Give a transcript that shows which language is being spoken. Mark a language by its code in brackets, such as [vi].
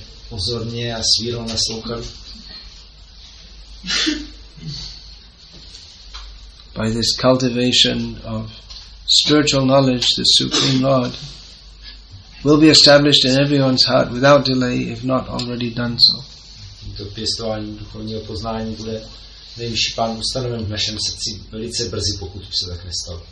[cs] Pozorně a s vírou naslouchali. [en] By this cultivation of spiritual knowledge, the Supreme Lord will be established in everyone's heart without delay, if not already done so. [cs] To pěstování duchovního poznání bude nejvyšší pán ustanoven v našem srdci velice brzy, pokud se tak nestalo.